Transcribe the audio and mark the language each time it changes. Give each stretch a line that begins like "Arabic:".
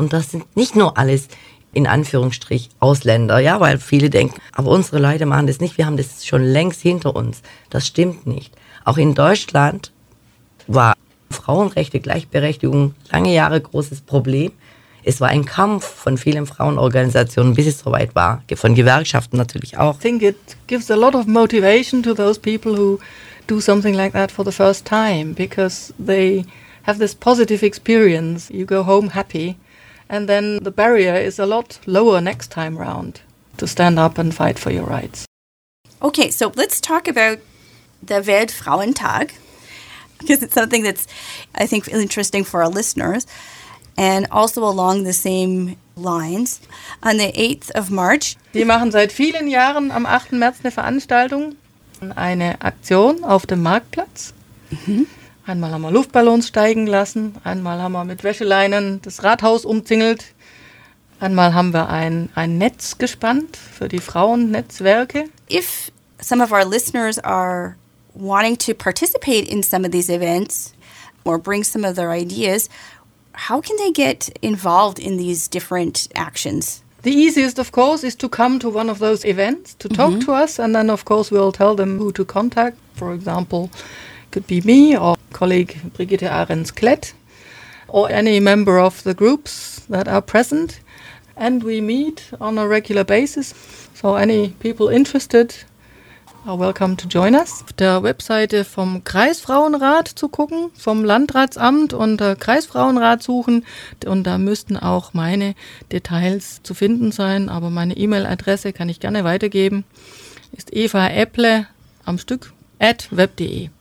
German: Und das sind nicht nur alles, in Anführungsstrich, Ausländer, ja, weil viele denken, aber unsere Leute machen das nicht, wir haben das schon längst hinter uns. Das stimmt nicht. Auch in Deutschland war Frauenrechte, Gleichberechtigung lange Jahre großes Problem. Es war ein Kampf von vielen Frauenorganisationen, bis es soweit war, von Gewerkschaften natürlich auch.
English: I think it gives a lot of motivation to those people who do something like that for the first time, because they have this positive experience. You go home happy, and then the barrier is a lot lower next time round to stand up and fight for your rights. Okay, so let's talk about the Weltfrauentag, because it's something that's, I think, interesting for our listeners. And also along the same lines on the 8th of March.
German: Die machen seit vielen Jahren am 8. März eine Veranstaltung, eine Aktion auf dem Marktplatz. Mhm. Einmal haben wir Luftballons steigen lassen, einmal haben wir mit Wäscheleinen das Rathaus umzingelt, einmal haben wir ein Netz gespannt für die Frauennetzwerke.
English: If some of our listeners are wanting to participate in some of these events or bring some of their ideas, how can they get involved in these different actions? The easiest, of course, is to come to one of those events to talk mm-hmm. to us, and then, of course, we'll tell them who to contact. For example, could be me or colleague Brigitte Ahrens-Klett or any member of the groups that are present. And we meet on a regular basis, so any people interested are welcome to join us.
German: Auf der Webseite vom Kreisfrauenrat zu gucken, vom Landratsamt unter Kreisfrauenrat suchen. Und da müssten auch meine Details zu finden sein. Aber meine E-Mail-Adresse kann ich gerne weitergeben. Ist Eva Epple am Stück at web.de.